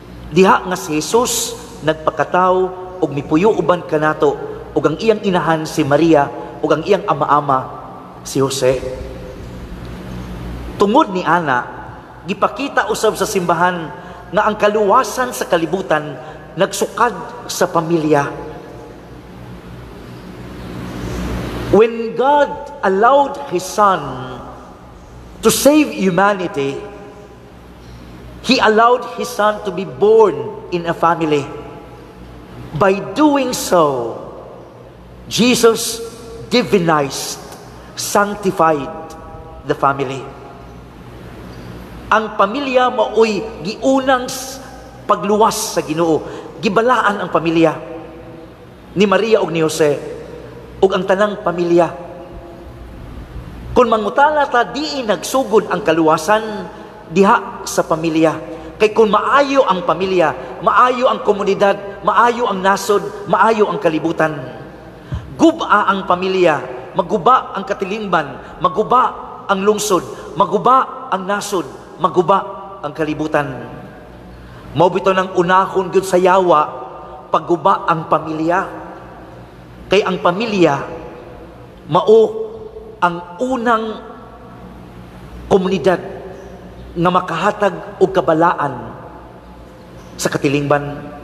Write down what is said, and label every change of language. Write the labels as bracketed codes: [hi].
[ceb] Diha nga si Jesus nagpakataw og mipuyo uban kanato og ang iyang inahan si Maria og ang iyang ama-ama si Jose. Tungod ni Ana, gipakita usab sa simbahan na ang kaluwasan sa kalibutan nagsukad sa pamilya. [en] When God allowed His Son to save humanity, He allowed His Son to be born in a family. By doing so, Jesus divinized, sanctified the family. [ceb] Ang pamilya mao'y giunang pagluwas sa Ginoo. Gibalaan ang pamilya ni Maria ug ni Jose ug ang tanang pamilya. Kung mangutala ta di nagsugod ang kaluwasan diha sa pamilya. Kay kung maayo ang pamilya, maayo ang komunidad, maayo ang nasod, maayo ang kalibutan. Guba ang pamilya, maguba ang katilingban, maguba ang lungsod, maguba ang nasod, maguba ang kalibutan. Mabito ng unahon gud sa yawa pagguba ang pamilya. Kay ang pamilya mao ang unang komunidad na makahatag o kabalaan sa katilingban.